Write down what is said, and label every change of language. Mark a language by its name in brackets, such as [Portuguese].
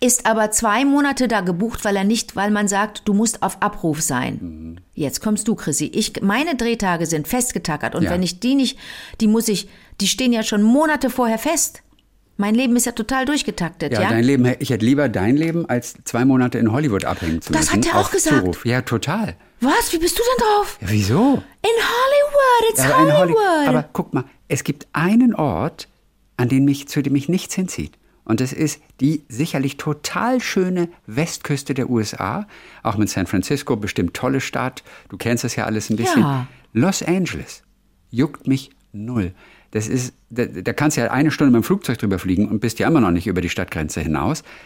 [German] Ist aber 2 Monate da gebucht, weil man sagt, du musst auf Abruf sein. Mhm. Jetzt kommst du, Chrissy. Meine Drehtage sind festgetackert, und ja, wenn ich die nicht, die stehen ja schon Monate vorher fest. Mein Leben ist ja total durchgetaktet. Ja, dein Leben, ich hätte lieber dein Leben, als 2 Monate in Hollywood abhängen zu müssen. Das hat er auch gesagt. Zuruf. Ja, total. Was? Wie bist du denn drauf? Ja, wieso? [English] In Hollywood, it's Hollywood. [German] Aber guck mal, es gibt einen Ort, zu dem mich nichts hinzieht. Und das ist die sicherlich total schöne Westküste der USA. Auch mit San Francisco, bestimmt tolle Stadt. Du kennst das ja alles ein bisschen. Ja. Los Angeles juckt mich null. Das ist, da kannst du ja 1 Stunde mit dem Flugzeug drüber fliegen und bist ja immer noch nicht über die Stadtgrenze hinaus.